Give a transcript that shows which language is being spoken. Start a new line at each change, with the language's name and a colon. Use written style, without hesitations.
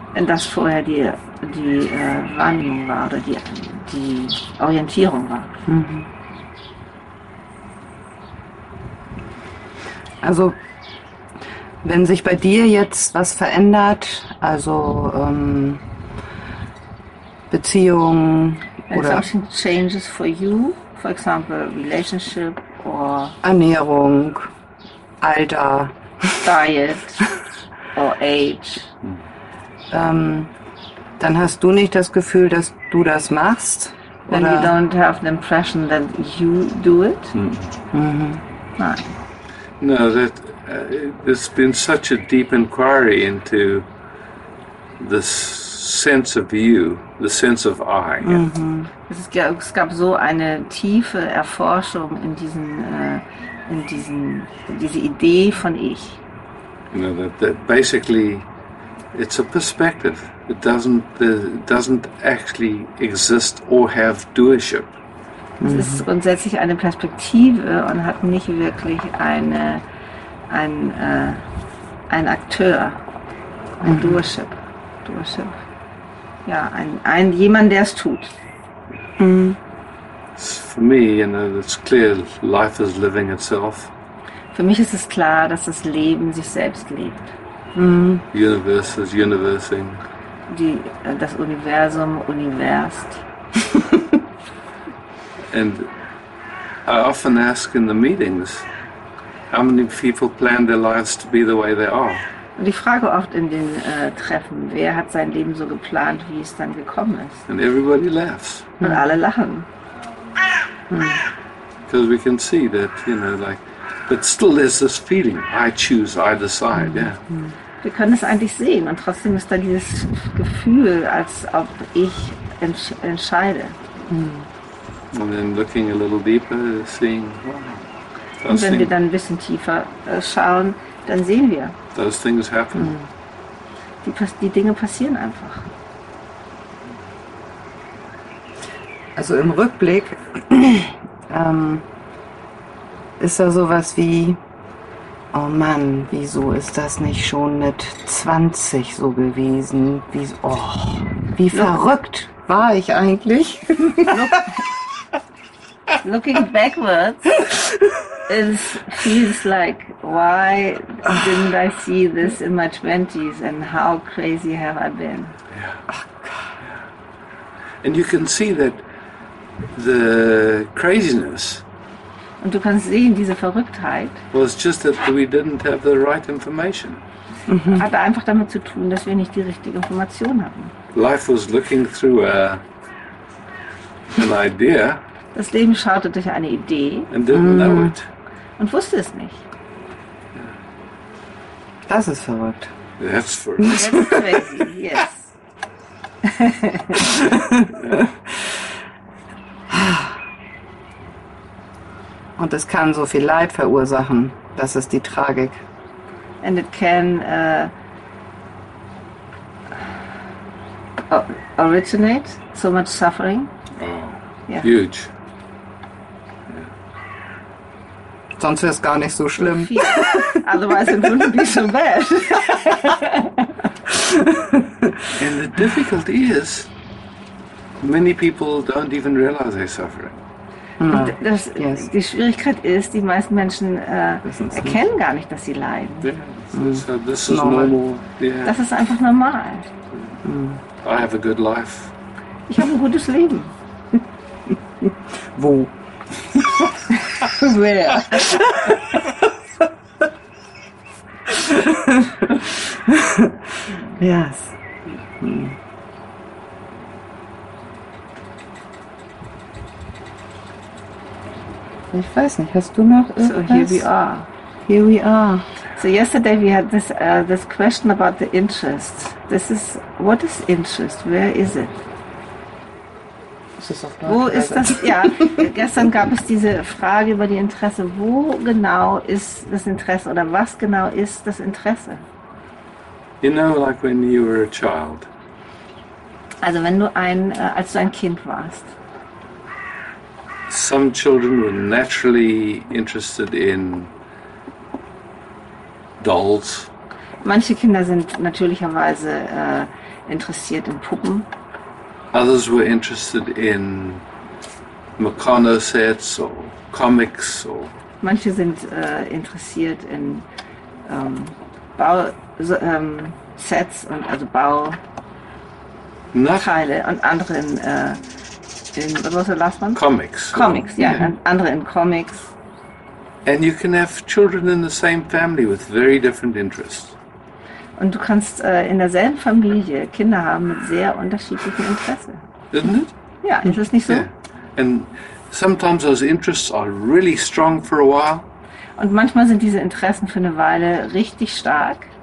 German: Wenn das vorher die, die Wahrnehmung war oder die, die Orientierung war. Also, wenn sich bei dir jetzt was verändert, also Beziehungen oder
English: something changes for you, for example, relationship or
German: Ernährung, Alter,
English: diet or age,
German: dann hast du nicht das Gefühl, dass du das machst?
English: Then
German: oder?
English: You don't have the impression that you do it?
German: Nein.
English: No, that there's been such a deep inquiry into this sense of you, the sense of I.
German: Es gab so eine tiefe Erforschung in diesen, diese Idee von ich.
English: You know, that basically it's a perspective. It doesn't actually exist or have doership.
German: Es ist grundsätzlich eine Perspektive und hat nicht wirklich eine, ein Akteur, ein Doership. Doership. Ja, ein jemand, der es tut.
English: For me, you know, it's clear life is living itself.
German: Für mich ist es klar, dass das Leben sich selbst lebt.
English: Universe is universing.
German: Das Universum universt.
English: And I often ask in the meetings, how many people plan their lives to be the way they are?
German: Die Frage oft in den Treffen, wer hat sein Leben so geplant, wie es dann gekommen ist?
English: And everybody laughs.
German: Und alle lachen.
English: Because we can see that, you know, like, but still there's this feeling, I choose, I decide, yeah.
German: Wir können es eigentlich sehen und trotzdem ist da dieses Gefühl, als ob ich entscheide.
English: And then looking a little deeper, seeing, wow.
German: Und wenn wir dann ein bisschen tiefer schauen, dann sehen wir.
English: Those things happen.
German: Die Dinge passieren einfach. Also im Rückblick ist da sowas wie, oh Mann, wieso ist das nicht schon mit 20 so gewesen? Wie verrückt war ich eigentlich?
English: Looking backwards, it feels like, why didn't I see this in my 20s and how crazy have I been? Yeah. And you can see that the craziness.
German: Und du kannst sehen, diese Verrücktheit.
English: Was just that we didn't have the right information.
German: Hat einfach damit zu tun, dass wir nicht die richtige Information hatten.
English: Life was looking through an idea.
German: Das Leben schaute durch eine Idee und wusste es nicht. Das ist verrückt.
English: That's verrückt. That's crazy, yes.
German: Und es kann so viel Leid verursachen, das ist die Tragik.
English: And it can originate so much suffering. Oh, yeah. Huge.
German: Sonst wäre es gar nicht so schlimm.
English: Otherwise it wouldn't be so bad. And the difficulty is, many people don't even realize they're suffering.
German: Die Schwierigkeit ist, die meisten Menschen erkennen nicht. Gar nicht, dass sie leiden.
English: Yeah. So this is normal. Yeah.
German: Das ist einfach normal.
English: I have a good life.
German: Ich habe ein gutes Leben. Wo?
English: Where? Yes.
German: Ich weiß nicht, hast du noch irgendwas?
English: So here we are. Here we are. So yesterday we had this this question about the interest. This is, what is interest? Where is it?
German: Wo ist das? Ja, gestern gab es diese Frage über die Interesse. Wo genau ist das Interesse oder was genau ist das Interesse?
English: You know, like when you were a child.
German: Also wenn du als du ein Kind warst.
English: Some children were naturally interested in dolls.
German: Manche Kinder sind natürlicherweise interessiert in Puppen.
English: Others were interested in Meccano sets or comics or.
German: Manche sind interessiert in Bau sets und also Bauteile und andere in was war der
English: last one? Comics, yeah. Yeah.
German: Andere in Comics.
English: And you can have children in the same family with very different interests.
German: Und du kannst in derselben Familie Kinder haben mit sehr unterschiedlichen Interessen.
English: Isn't it?
German: Ja, ist es nicht so?
English: Yeah. And sometimes those interests are really strong for a while.
German: Und manchmal sind diese Interessen für eine Weile richtig stark.